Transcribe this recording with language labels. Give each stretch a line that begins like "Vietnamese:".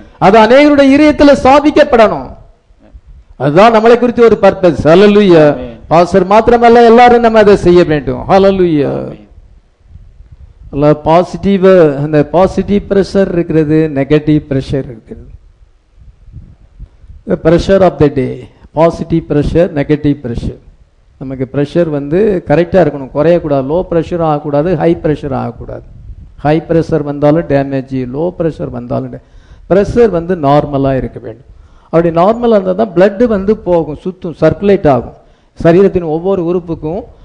Tamil: அது அநேகருடைய இதயத்துல சாபிக்கப்படணும். அதுதான் நம்மளை குறித்து ஒரு பர்பஸ். ஹல்லேலூயா. பாஸ்டர் மாத்திரமல்ல எல்லாரும் நம்ம அதை செய்ய வேண்டும். ஹல்லேலூயா. பாசிட்டிவ் அந்த பாசிட்டிவ் பிரஷர் இருக்கிறது, நெகட்டிவ் பிரஷர் இருக்கிறது.
English: The pressure of the day, positive pressure, negative pressure.
Tamil: நமக்கு pressure வந்து கரெக்டாக இருக்கணும், குறையக்கூடாது. லோ ப்ரெஷர் ஆகக்கூடாது, ஹை ப்ரெஷர் ஆகக்கூடாது. ஹை ப்ரெஷர் வந்தாலும் டேமேஜ், லோ ப்ரெஷர் வந்தாலும் ப்ரெஷர் வந்து நார்மலாக இருக்க வேண்டும். அப்படி நார்மலாக இருந்தால் தான் பிளட்டு வந்து போகும், சுத்தும், சர்க்குலேட் ஆகும் சரீரத்தின் ஒவ்வொரு உறுப்புக்கும்.